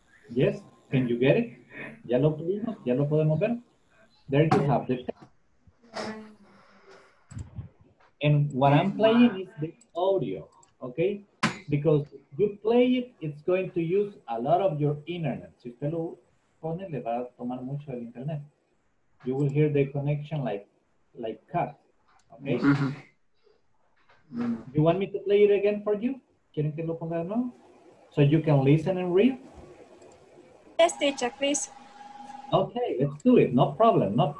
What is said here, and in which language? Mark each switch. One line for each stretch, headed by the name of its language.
English: Yes, can you get it?
Spanish: ¿Ya lo tuvimos? ¿Ya lo podemos ver?
English: There you have the text. And what I'm playing is the audio, okay? Because you play it, it's going to use a lot of your internet.
Spanish: Si usted lo pone, le va a tomar mucho el internet.
English: You will hear the connection like cut, okay? You want me to play it again for you?
Spanish: ¿Quieren que lo ponga de nuevo?
English: So you can listen and read? Yes, teacher, please. Okay, let's do it. No problem.